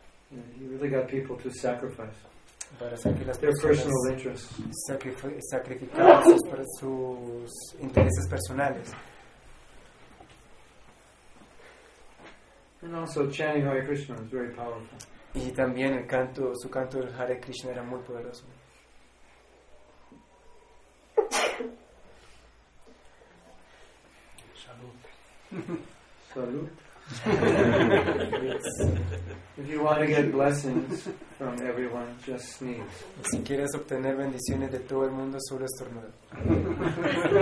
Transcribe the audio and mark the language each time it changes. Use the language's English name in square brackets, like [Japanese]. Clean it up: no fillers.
[English] Yeah, he really got people to sacrifice. [Spanish] Para sacrificar [English] their personal interests. [Spanish] Sacrificar sus intereses personales. [English] And also chanting Hare Krishna is very powerful. [Spanish] Y también el canto, su canto del Hare Krishna era muy poderoso. Salud. Salud. [English] If you want to get blessings from everyone, just sneeze. [Spanish] Si quieres obtener bendiciones de todo el mundo, solo estornuda.